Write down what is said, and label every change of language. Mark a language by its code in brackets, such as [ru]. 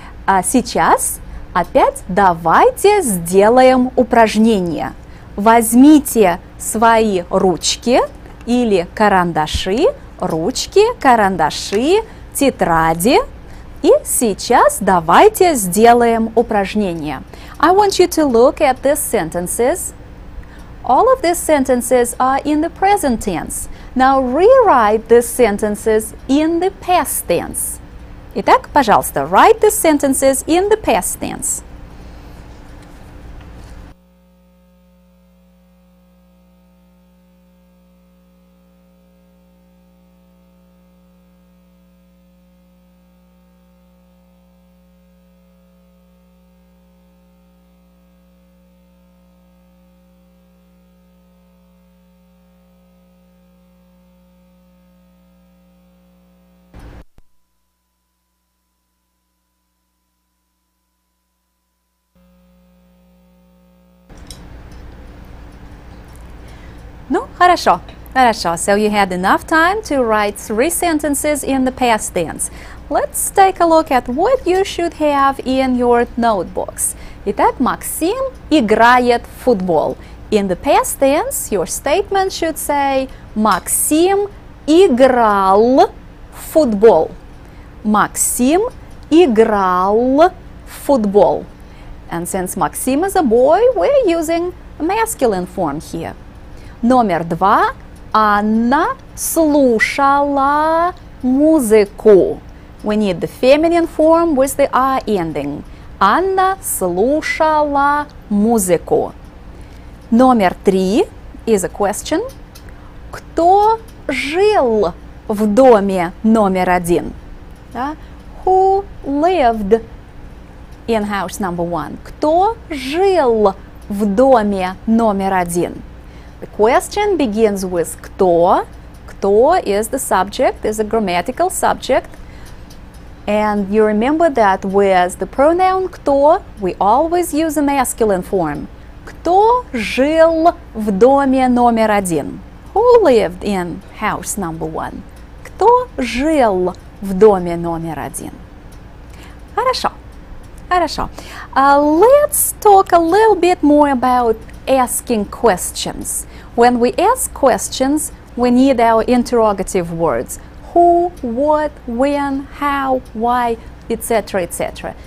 [ru] А сейчас опять давайте сделаем упражнение. Возьмите свои ручки или карандаши, ручки, карандаши, тетради. И сейчас давайте сделаем упражнение. [en] I want you to look at these sentences. All of these sentences are in the present tense. Now rewrite these sentences in the past tense. [ru] Итак, пожалуйста, [en] write the sentences in the past tense. [ru] Хорошо, хорошо. [en] So you had enough time to write three sentences in the past tense. Let's take a look at what you should have in your notebooks. [ru] Итак, Максим играет в футбол. [en] In the past tense, your statement should say [ru] Максим играл в футбол. Максим играл в футбол. [en] And since Максим is a boy, we're using a masculine form here. [ru] Номер два. Она слушала музыку. [en] We need the feminine form with the R ending. [ru] Она слушала музыку. Номер три [en] is a question. [ru] Кто жил в доме номер один? [en] Who lived in house number one? [ru] Кто жил в доме номер один? [en] The question begins with кто. Кто is the subject, is a grammatical subject. And you remember that with the pronoun кто, we always use a masculine form. [ru] Кто жил в доме номер один? [en] Who lived in house number one? [ru] Кто жил в доме номер один? Хорошо. Хорошо. [en] Let's talk a little bit more about asking questions. When we ask questions, we need our interrogative words. Who, what, when, how, why, etc., etc.